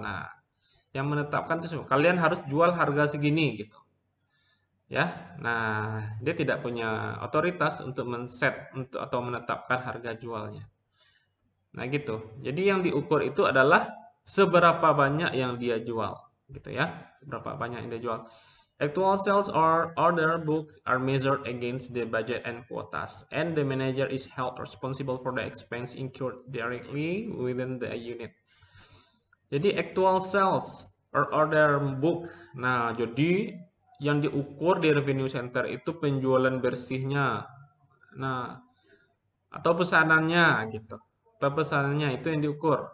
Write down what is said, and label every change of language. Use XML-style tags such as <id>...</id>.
<id>Nah, yang menetapkan itu kalian harus jual harga segini gitu ya. Nah, dia tidak punya otoritas untuk men-set untuk atau menetapkan harga jualnya. Nah, gitu. Jadi yang diukur itu adalah seberapa banyak yang dia jual, gitu ya. Seberapa banyak yang dia jual.</id> <en>Actual sales or order book are measured against the budget and quotas, and the manager is held responsible for the expense incurred directly within the unit.</en> <id>Jadi</id> <en>actual sales or order book.</en> <id>Nah, jadi yang diukur di revenue center itu penjualan bersihnya, nah atau pesanannya gitu, atau pesanannya itu yang diukur.</id>